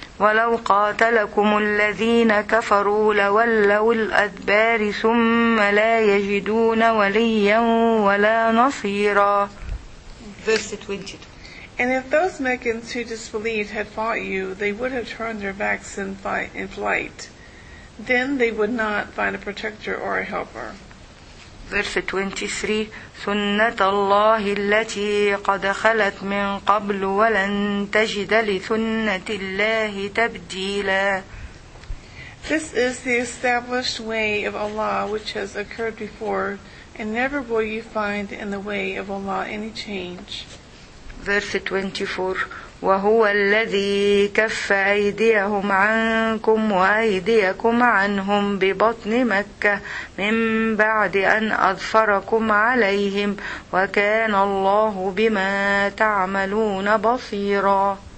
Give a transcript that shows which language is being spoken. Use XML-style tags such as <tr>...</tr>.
<ar>ولو قاتلكم الذين كفروا لولوا الأدبار ثم لا يجدون وليا ولا نصيرا.</ar> <en>And if those Meccans who disbelieved had fought you, they would have turned their backs in flight. Then they would not find a protector or a helper. verse 23,</en> <ar>سُنَّةَ اللَّهِ الَّتِي قَدْ خَلَتْ مِنْ قَبْلُ وَلَنْ تَجِدَ لِسُنَّةِ اللَّهِ تَبْدِيلًا.</ar> <en>This is the established way of Allah which has occurred before, and never will you find in the way of Allah any change. Verse 24,</en> <ar>وَهُوَ الَّذِي كَفَّ أَيْدِيَهُمْ عَنْكُمْ وَأَيْدِيَكُمْ عَنْهُمْ بِبَطْنِ مَكَّةِ مِنْ بَعْدِ أَنْ أَظْفَرَكُمْ عَلَيْهِمْ وَكَانَ اللَّهُ بِمَا تَعْمَلُونَ بَصِيرًا.</ar>